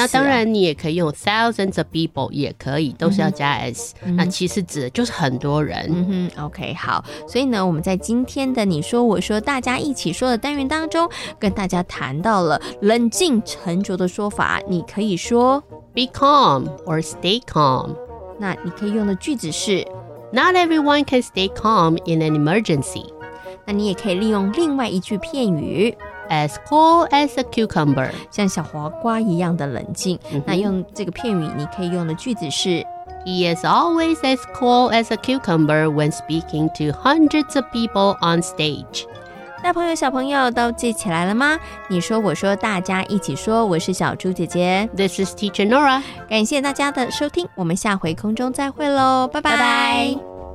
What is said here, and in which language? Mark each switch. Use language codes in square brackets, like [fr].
[zh] 那当然你也可以用 [en] thousands of people， [zh] 也可以，都是要加 s，那其实指的就是很多人。 OK， 好，所以呢，我们在今天的你说我说大家一起说的单元当中，跟大家谈到了冷静沉着的说法，你可以说 [en] Be calm or stay calm. [zh] 那你可以用的句子是 [en] Not everyone can stay calm in an emergency. [zh] 那你也可以利用另外一句片语 [en] As cool as a cucumber. [zh] 像小黄瓜一样的冷静。那用这个片语你可以用的句子是 [en] He is always as cool as a cucumber when speaking to hundreds of people on stage. [zh] 大朋友小朋友都记起来了吗？你说我说大家一起说，我是小猪姐姐。 [en] This is teacher Nora. [zh] 感谢大家的收听，我们下回空中再会咯，拜拜。